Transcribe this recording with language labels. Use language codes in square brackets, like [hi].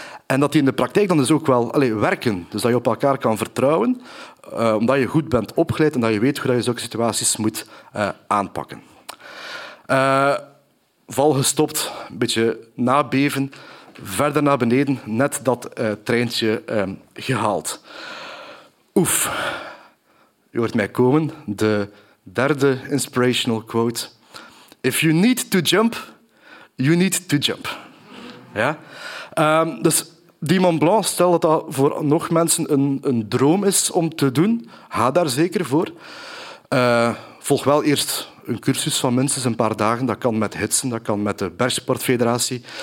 [nl] En dat die in de praktijk dan dus ook wel werken. Dus dat je op elkaar kan vertrouwen, omdat je goed bent opgeleid en dat je weet hoe je zulke situaties moet aanpakken. Val gestopt, een beetje nabeven, verder naar beneden, net dat treintje gehaald. Oef. U hoort mij komen, de derde inspirational quote. [en] If you need to jump, you need to jump. [nl] Ja? Dus die Mont Blanc, stel dat dat voor nog mensen een droom is om te doen, ga daar zeker voor. Volg wel eerst een cursus van minstens een paar dagen. Dat kan met hitsen, dat kan met de Bergsportfederatie.